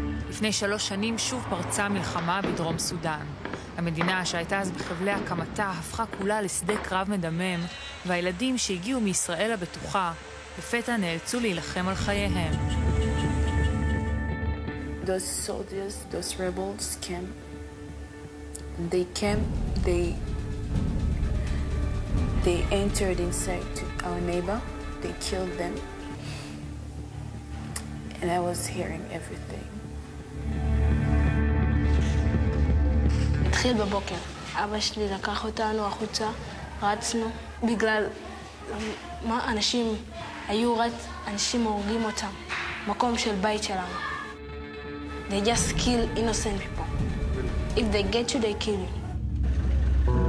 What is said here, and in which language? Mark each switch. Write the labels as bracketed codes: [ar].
[he] לפני 3 שנים שוב פרצה מלחמה בדרום סודן. המדינה שהייתה אז בחבלי הקמתה הפכה כולה לשדה קרב מדמם, והילדים שהגיעו מישראל הבטוחה לפתע נאלצו להילחם על חייהם. [en] Those soldiers, those rebels came, they entered inside to our neighbor, they killed them, and I was hearing everything. [he] התחיל בבוקר. אבא שלי לקח אותנו החוצה, רצנו, בגלל מה אנשים היו אנשים הורגים אותם, מקום של בית שלנו. [en] They just kill innocent people. If they get you, they kill you.